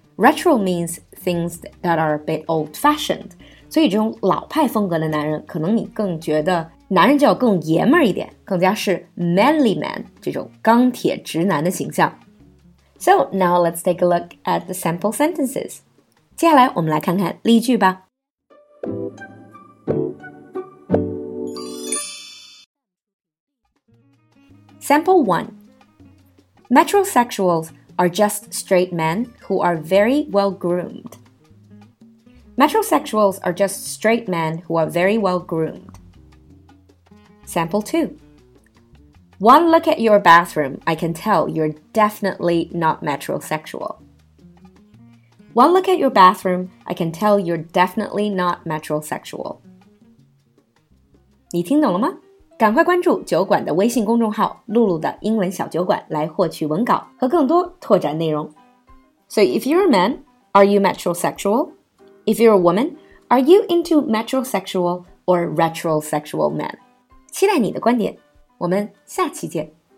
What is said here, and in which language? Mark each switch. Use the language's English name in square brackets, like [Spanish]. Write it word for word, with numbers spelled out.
[English] Retro means things that are a bit old-fashioned. [Chinese] 所以这种老派风格的男人，可能你更觉得男人就要更爷们儿一点，更加是 manly man 这种钢铁直男的形象。 [English] So now let's take a look at the sample sentences. [Chinese] 接下来我们来看看例句吧。 [English] Sample one. Metrosexuals are just straight men who are very well groomed. Metrosexuals are just straight men who are very well groomed. Sample two. One look at your bathroom, I can tell you're definitely not metrosexual. One look at your bathroom, I can tell you're definitely not metrosexual. [Chinese] 你听懂了吗？赶快关注酒馆的微信公众号露露的英文小酒馆来获取文稿和更多拓展内容。 [English] So if you're a man, are you metrosexual? If you're a woman, are you into metrosexual or retrosexual men? 期待你的观点。我们下期见。